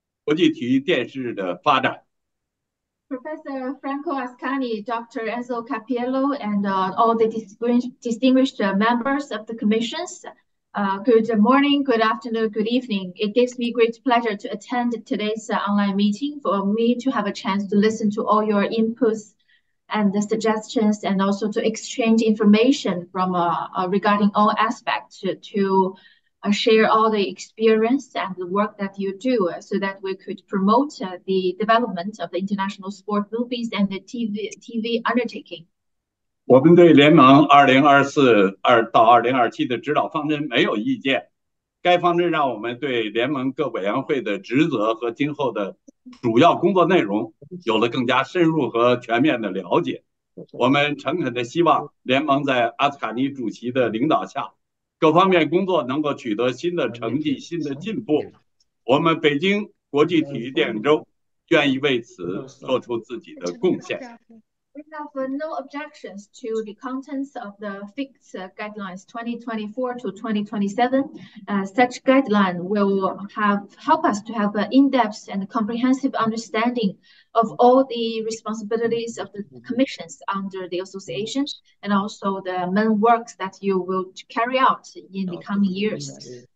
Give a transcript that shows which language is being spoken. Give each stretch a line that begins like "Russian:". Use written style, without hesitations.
Chinese: 尊敬的弗兰克·阿斯卡尼教授，恩佐·卡皮耶罗博士，尊敬的与会各位委员，大家好，很高兴参加今天的线上会议，使我有机会聆听各位的意见，交流各方面的信息，分享大家的经验，共同推动国际体育电视的发展。
English: Professor Franco Ascani, Dr. Enzo Capiello, and all the distinguished members of the commissions, good morning, good afternoon, good evening. It gives me great pleasure to attend today's online meeting for me to have a chance to listen to all your inputs and the suggestions and also to exchange information from regarding all aspects to share all the experience and the work that you do so that we could promote the development of the international sport movies and the TV undertaking.
Chinese: 我们对联盟 2024到2027的指导方针没有意见, 该方针让我们对联盟各委员会的职责和今后的主要工作内容有了更加深入和全面的了解, 我们诚恳地希望联盟在阿斯卡尼主席的领导下, 各方面工作能够取得新的成绩、新的进步，我们北京国际体育电影周愿意为此做出自己的贡献。
English: We have no objections to the contents of the Ficts guidelines 2024 to 2027. Such guideline will help us to have an in-depth and comprehensive understanding of all the responsibilities of the commissions under the association and also the main works that you will carry out in the coming years.